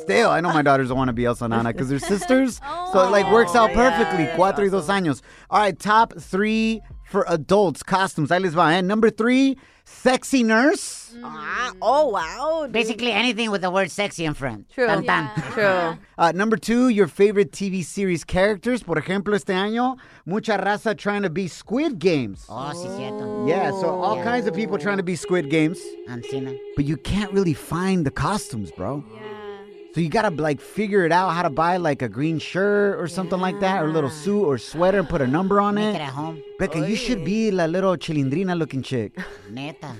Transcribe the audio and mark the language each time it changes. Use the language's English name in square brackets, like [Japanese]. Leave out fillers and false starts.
[English] Still, I know my daughters don't want to be Elsa and Anna because they're sisters. Oh, so it like works out perfectly. Yeah, [Spanish] cuatro y dos años. [English] All right, top three for adults costumes. [Spanish] Ahí les va. [English] And number three, sexy nurse. Mm-hmm. Oh, wow. Basically anything with the word sexy in front. True. [Spanish] Tan, tan. [English] Yeah, true. Number two, your favorite TV series characters. [Spanish] Por ejemplo, este año, mucha raza [English] trying to be Squid Games. [Spanish] Oh, sí, cierto. [English] Yeah, so all kinds of people trying to be Squid Games. I'm seeing it. But you can't really find the costumes, bro. Yeah. So you gotta like figure it out how to buy like a green shirt or something like that, or a little suit or sweater and put a number on it. Make it at home. Becca, you should be la little Chilindrina looking chick. [Spanish] Neta.